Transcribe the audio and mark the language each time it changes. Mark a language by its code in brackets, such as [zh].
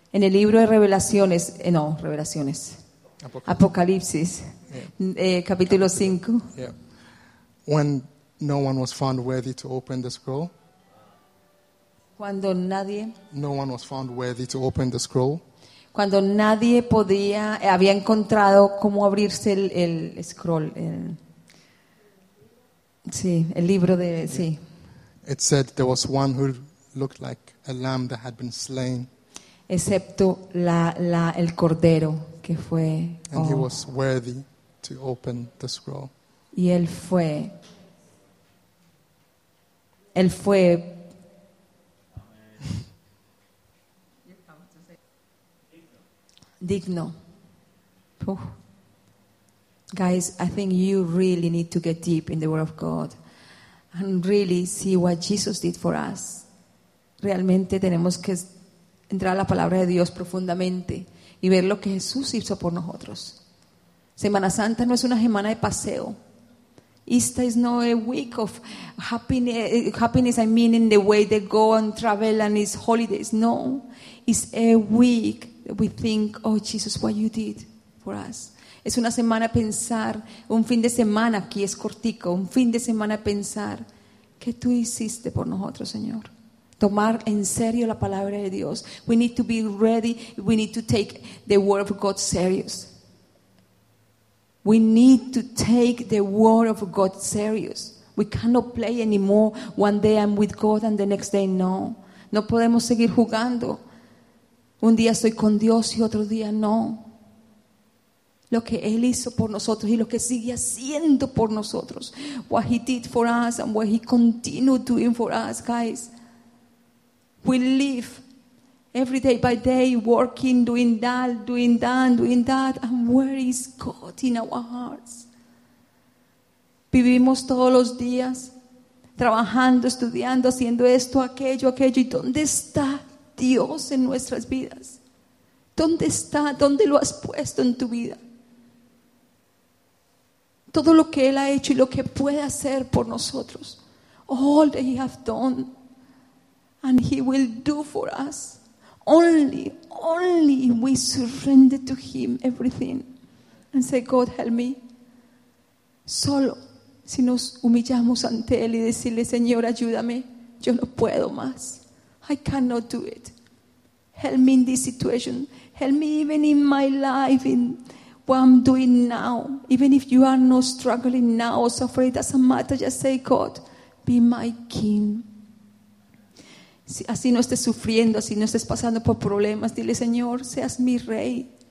[es] En el libro de Revelaciones, no, Revelaciones. Apocalipsis. Capítulo 5. [en] Yeah. When no one was found worthy to open the scroll. [es] Cuando nadie. [en] No one was found worthy to open the scroll. [es] Cuando nadie podía, había encontrado cómo abrirse el scroll. El libro de, yeah. Sí. [en] It said there was one who looked like a lamb that had been slain. [es] Excepto el cordero que fue. [en] And he was worthy to open the scroll. [es] Y él fue. Digno. Oh. [en] Guys, I think you really need to get deep in the Word of God and really see what Jesus did for us. [es] Realmente tenemos que entrar a la palabra de Dios profundamente y ver lo que Jesús hizo por nosotros. Semana Santa no es una semana de paseo. [en] Easter is not a week of happiness, I mean in the way they go and travel and it's holidays. No, it's a week we think, oh Jesus, what you did for us. [es] Es una semana pensar, un fin de semana aquí es cortico, un fin de semana pensar que tú hiciste por nosotros, Señor. Tomar en serio la palabra de Dios. [en] We need to be ready, we need to take the word of God serious. We need to take the word of God serious. We cannot play anymore. One day I'm with God and the next day no. [es] No podemos seguir jugando. Un día estoy con Dios y otro día no. Lo que Él hizo por nosotros y lo que sigue haciendo por nosotros. [en] What He did for us and what He continued doing for us, guys. We live every day by day working, doing that. And where is God in our hearts? [es] Vivimos todos los días trabajando, estudiando, haciendo esto, aquello. ¿Y dónde está Dios en nuestras vidas? ¿Dónde está? ¿Dónde lo has puesto en tu vida? Todo lo que Él ha hecho y lo que puede hacer por nosotros. [en] All that He has done and He will do for us. Only we surrender to Him everything and say, God, help me. [es] Solo si nos humillamos ante Él y decirle, Señor, ayúdame, yo no puedo más. [en] I cannot do it. Help me in this situation. Help me even in my life, in what I'm doing now. Even if you are not struggling now or suffering, it doesn't matter. Just say, God, be my king. [es] Si, así no estés sufriendo, así no estés pasando por problemas, dile, Señor, seas mi rey.